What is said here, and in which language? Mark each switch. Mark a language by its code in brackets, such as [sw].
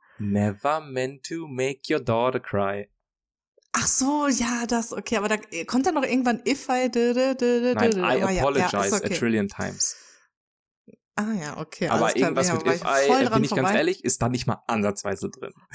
[en] Never meant to make your daughter cry. [de] Ach so, ja, das, okay. Aber da kommt dann noch irgendwann [en] if I did it. I apologize a trillion times. [de] Ah ja, okay. Aber irgendwas mit [en] if I, [de] bin ich ganz ehrlich, ist da nicht mal ansatzweise drin.